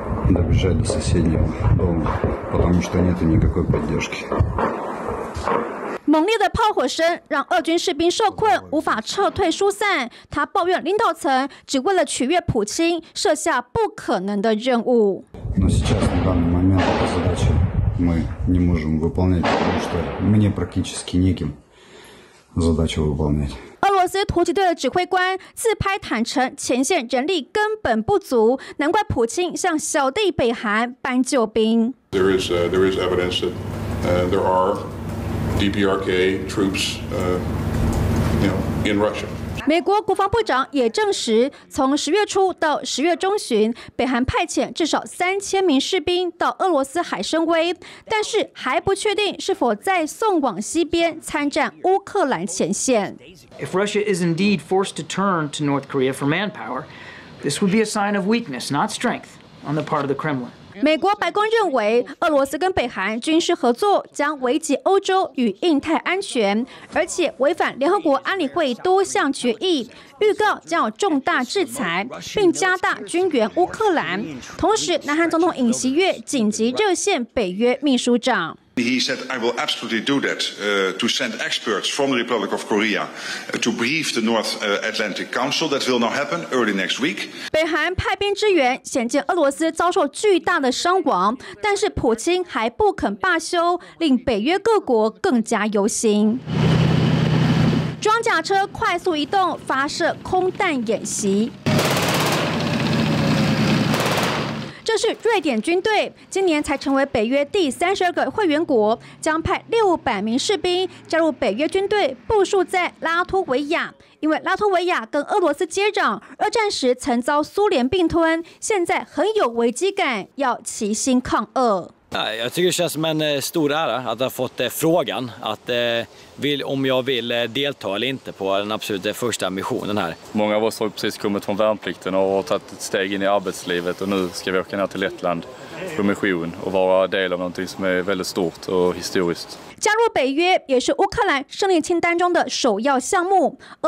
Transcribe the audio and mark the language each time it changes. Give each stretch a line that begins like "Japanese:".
Russian: добежать до соседнего дома, потому что нет никакой поддержки.
Chinese: 猛烈的炮火声让俄军士兵受困，无法撤退疏散。他抱怨领导层只为了取悦普京，设下不可能的任务。
Russian: Но сейчас на данный момент эту задачу мы не можем выполнять, потому что мне практически некем задачу выполнять.
Chinese: 俄罗斯突击队的指挥官自拍坦承，前线人力根本不足，难怪普京向小弟北韩搬救兵。
English: There is evidence that there are DPRK troops, in Russia.
Chinese: 美国国防部长也证实，从10月初到10月中旬，北韩派遣至少3000名士兵到俄罗斯海参崴，但是还不确定是否再送往西边参战乌克兰前线。
English: If Russia is indeed forced to turn to North Korea for manpower, this would be a sign of weakness, not strength, on the part of the Kremlin.
Chinese: 美国白宫认为，俄罗斯跟北韩军事合作将危及欧洲与印太安全，而且违反联合国安理会多项决议，预告将有重大制裁，并加大军援乌克兰。同时，南韩总统尹锡悦紧急热线北约秘书长。
English: He said, "I will absolutely do that to send experts from the Republic of Korea to brief the North Atlantic Council. That will now happen early next week."
Chinese: 北韩派兵支援，显见俄罗斯遭受巨大的伤亡，但是普京还不肯罢休，令北约各国更加忧心。装甲车快速移动，发射空弹演习。这是瑞典军队，今年才成为北约第32个会员国，将派600名士兵加入北约军队，部署在拉脱维亚。因为拉脱维亚跟俄罗斯接壤，二战时曾遭苏联并吞，现在很有危机感，要齐心抗俄。
Swedish: Nej, jag tycker det känns som en stor ära att ha fått frågan att om jag vill delta eller inte på den absolut första missionen här. Många av oss har precis kommit från värnplikten och har tagit ett steg in i arbetslivet och nu ska vi åka ner till Lettland på mission och vara del av någonting som är väldigt stort och historiskt.
Chinese: 加入北约也是乌克兰胜利清单中的首要项目。